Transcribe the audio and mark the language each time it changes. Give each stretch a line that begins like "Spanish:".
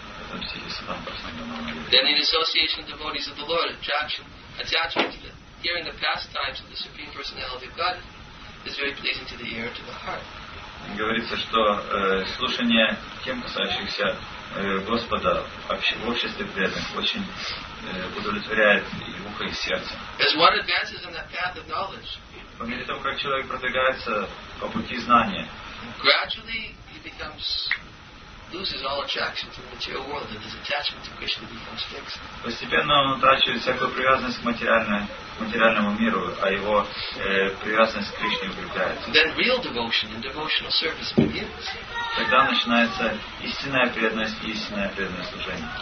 English: Then in association with devotees of the Lord, attachment to the hearing the pastimes of the Supreme Personality of God is very pleasing to the ear and to the heart.
Russian: Говорится, что слушание тем, касающихся Господа в обществе преданных, очень удовлетворяет и ухо, и сердце.
English: As one advances on that path of knowledge,
Russian: по мере того, как человек продвигается по пути знания,
English: gradually he becomes loses all attraction to the material world and his attachment to Krishna becomes fixed.
Russian: Постепенно он утрачивает всякую привязанность к материальному миру, а его привязанность к Кришне укрепляется.
English: Then real devotion and devotional service begins.
Russian: Тогда начинается истинная преданность и истинное преданное служение.